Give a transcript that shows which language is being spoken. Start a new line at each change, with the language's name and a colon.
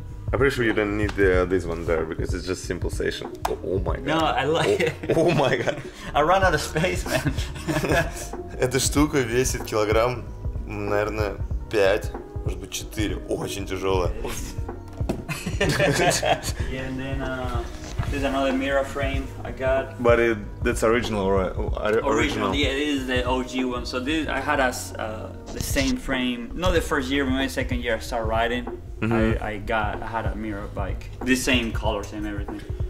English: I'm pretty sure you don't need this one there because it's just simple session. Oh my god. No, I like it. Oh my god. I run out of space, man.
Russian: Эта штука весит килограмм, наверное, 5, может быть 4. Очень тяжелая.
English: Yeah, and then there's another mirror frame I got. But that's original, right? Original. Yeah, this is the OG one. So this I had as the same frame. Not the first year, but my second year I started riding. Mm-hmm. I had a mirror bike, the same colors and everything.